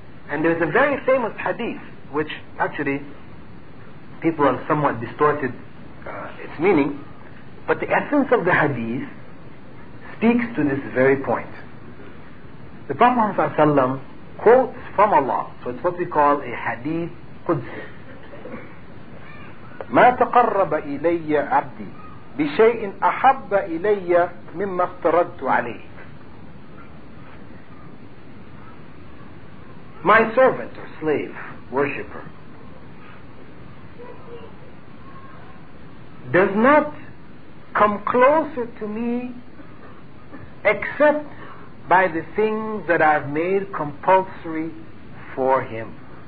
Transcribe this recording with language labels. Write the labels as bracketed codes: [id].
[en] And there's a very famous hadith which actually people have somewhat distorted its meaning, but the essence of the hadith speaks to this very point. The Prophet ﷺ quotes from Allah, so it's what we call a hadith qudsi. [ar] ما تقرب إلي عبدي بشيء أحب إلي مما افترضت عليه. [en] My servant or slave, worshipper, does not come closer to me except by the things that I've made compulsory for him.